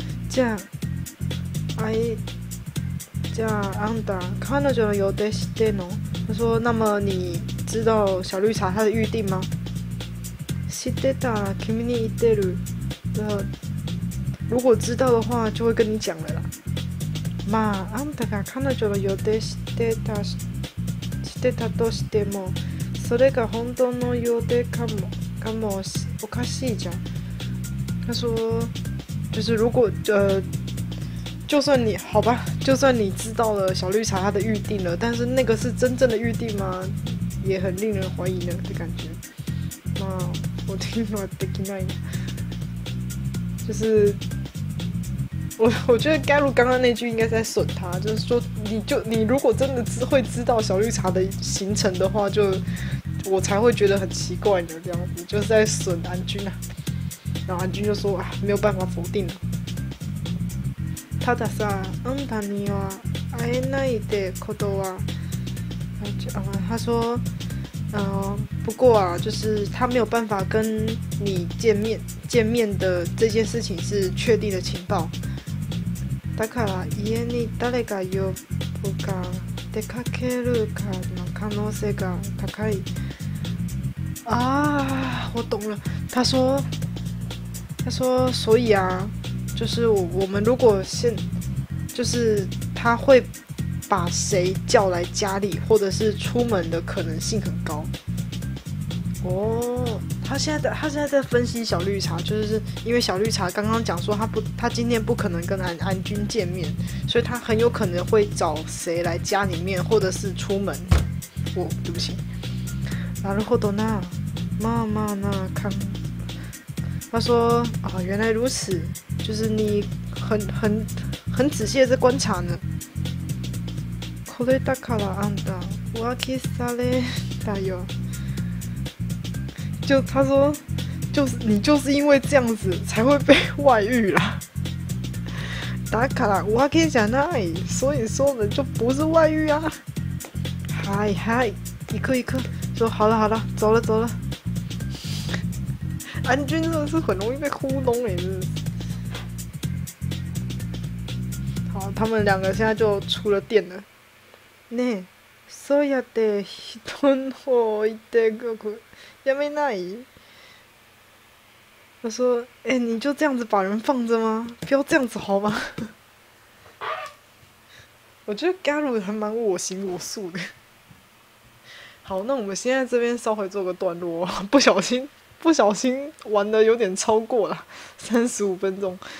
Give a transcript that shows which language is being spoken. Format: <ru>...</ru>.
<ja>じゃあ、あい、じゃああんた、彼女の予定知ってんの？</ja> <zh>他说：“那么你知道小绿茶她的预定吗？”</zh> <ja>知ってたら君に言ってる。</ja> <zh>如果知道的话，就会跟你讲了啦。</zh> <ja>まあ、あんたが彼女の予定知ってたとしても、それが本当の予定かも、かもし、おかしいじゃん。</ja> <zh>他说，就是如果就算你好吧，就算你知道了小绿茶他的预定了，但是那个是真正的预定吗？也很令人怀疑呢的感觉。那我听了的感觉，就是我觉得盖鲁刚刚那句应该在损他，就是说你如果真的会知道小绿茶的行程的话，就我才会觉得很奇怪呢，这样子就是在损安君啊。然后安君就说：“啊，没有办法否定了。” 他的さ、</zh> <ja>あんたには会えないってことは、</ja> <zh>他说：“不过啊，就是他没有办法跟你见面的这件事情是确定的情报。”</zh> <ja>だから家に誰か呼ぶか出かけるかの可能性が高い。</ja> <zh>啊，我懂了。他说所以啊，就是我们如果现就是他会把谁叫来家里或者是出门的可能性很高。哦，他现在在分析小绿茶，就是因为小绿茶刚刚讲说他今天不可能跟安君见面，所以他很有可能会找谁来家里面或者是出门。我、哦、对不起。</zh> <ja>なるほどな。まあまあな。</ja> <zh>看他说：“啊，原来如此，就是你很仔细的在观察呢。”</zh> <ja>これだからあんた浮気されたよ。</ja> <zh>就他说，就是你就是因为这样子才会被外遇啦。</zh> <ja>だから浮気じゃない，</ja> <zh>所以说的就不是外遇啊。嗨嗨，一颗一颗，说好了好了，走了走了。安君真的是很容易被糊弄哎，真的。好，他们两个现在就出了店了。</zh> <ja>ねえ、そうやって人を置いてくる、やめない？</ja> <zh>他说：“哎，你就这样子把人放着吗？不要这样子好吗？” 我觉得 Garu 还蛮我行我素的。好，那我们现在这边稍微做个段落，不小心玩的有点超过了35分钟。</zh>